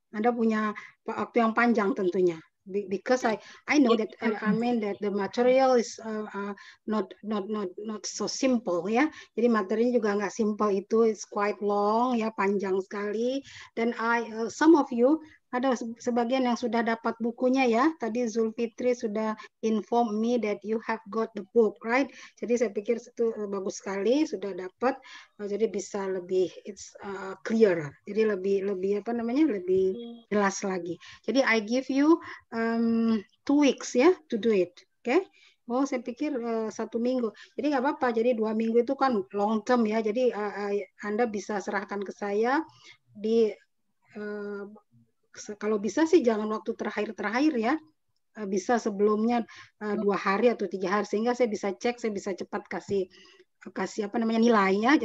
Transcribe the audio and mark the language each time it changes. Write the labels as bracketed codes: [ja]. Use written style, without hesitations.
[id] Anda punya waktu yang panjang tentunya. [en] Because I know that that the material is not so simple ya. [id] Jadi materinya juga nggak simple itu. It's quite long ya, panjang sekali. Then some of you ada sebagian yang sudah dapat bukunya ya. [en] Tadi Zulfitri sudah inform me that you have got the book, right? [id] Jadi saya pikir itu bagus sekali, sudah dapat. Jadi bisa lebih it's clearer. Jadi lebih apa namanya? Lebih jelas lagi. [en] Jadi I give you 2 weeks ya to do it, oke? [id] Okay? Oh, saya pikir satu minggu. Jadi nggak apa-apa. Jadi 2 minggu itu kan long term ya. Jadi Anda bisa serahkan ke saya di kalau bisa sih jangan waktu terakhir ya. Bisa sebelumnya 2 hari atau 3 hari sehingga saya bisa cek, saya bisa cepat kasih apa namanya nilainya.